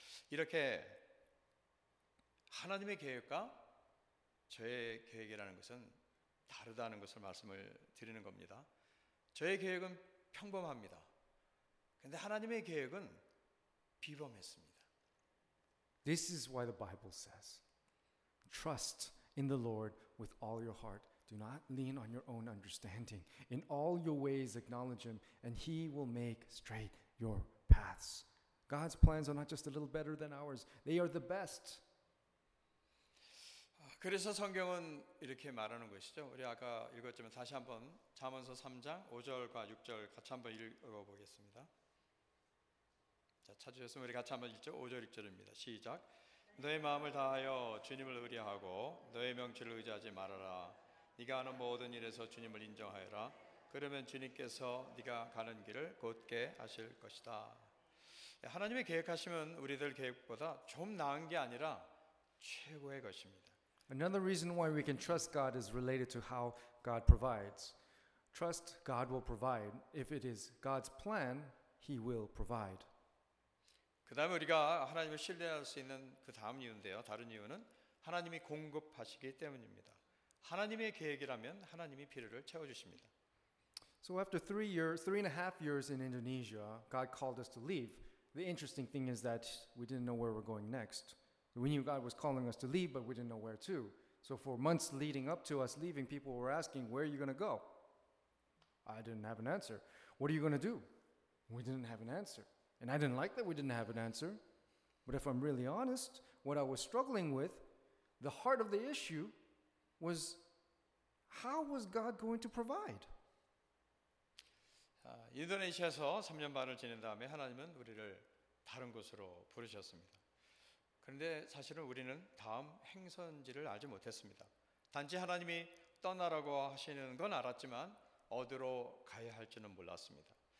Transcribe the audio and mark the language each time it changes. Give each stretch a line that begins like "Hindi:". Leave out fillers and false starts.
Korean: 이렇게 하나님의 계획과 저의 계획이라는 것은 다르다는 것을 말씀을 드리는 겁니다. 저의 계획은 평범합니다. 그런데 하나님의 계획은 비범했습니다.
English: This is why the Bible says, trust in the Lord with all your heart. Do not lean on your own understanding. In all your ways, acknowledge Him, and He will make straight your paths. God's plans are not just a little better than ours. They are the best.
Korean: 그래서 성경은 이렇게 말하는 것이죠. 우리 아까 읽었지만 다시 한번 잠언서 3장 5절과 6절 같이 한번 읽어보겠습니다. 자, 찾으셨으면 우리 같이 한번 읽죠. 5절 6절입니다. 시작. 너의 마음을 다하여 주님을 의뢰하고 너의 명치를 의지하지 말아라. 네가 하는 모든 일에서 주님을 인정하여라. 그러면 주님께서 네가 가는 길을 곧게 하실 것이다. 하나님의 계획하시면 우리들 계획보다 좀 나은 게 아니라 최고의 것입니다.
English: Another reason why we can trust God is related to how God provides. Trust God will provide. If it is God's plan, He will provide.
Korean: 그 다음에 우리가 하나님을 신뢰할 수 있는 그 다음 이유인데요. 다른 이유는 하나님이 공급하시기 때문입니다. 하나님의 계획이라면 하나님이 필요를 채워주십니다.
English: So after three and a half years in Indonesia, God called us to leave. The interesting thing is that we didn't know where we're going next. We knew God was calling us to leave, but we didn't know where to. So for months leading up to us leaving, people were asking, where are you going to go? I didn't have an answer. What are you going to do? We didn't have an answer. And I didn't like that we didn't have an answer. But if I'm really honest, what I was struggling with, the heart of the issue was, how was God going to provide?
Korean: 인도네시아에서 3년 반을 지낸 다음에 하나님은 우리를 다른 곳으로 부르셨습니다. 그런데 사실은 우리는 다음 행선지를 알지 못했습니다. 단지 하나님이 떠나라고 하시는 건 알았지만 어디로 가야 할지는 몰랐습니다.